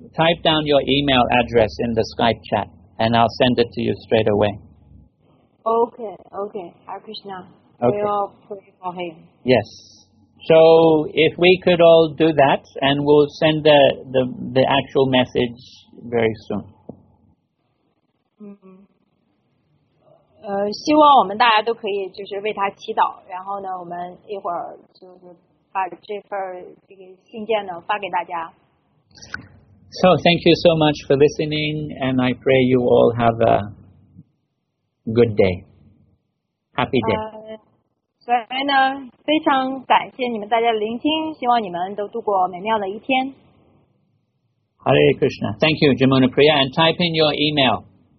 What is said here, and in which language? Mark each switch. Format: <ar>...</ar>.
<en>Type down your email address in the Skype chat and I'll send it to you straight away. Okay, Hare Krishna. Okay. We all pray for him. Yes. So if we could all do that, and we'll send the actual message very soon.</en> <zh>希望我们大家都可以就是为他祈祷，然后呢，我们一会儿就是把这份这个信件呢发给大家。</zh> <en>So thank you so much for listening, and I pray you all have a good day. Happy day.</en> <zh>所以呢，非常感谢你们大家的聆听，希望你们都度过美妙的一天。</zh> <en>Hare Krishna. Thank you, Jamuna Priya, and type in your email.</en>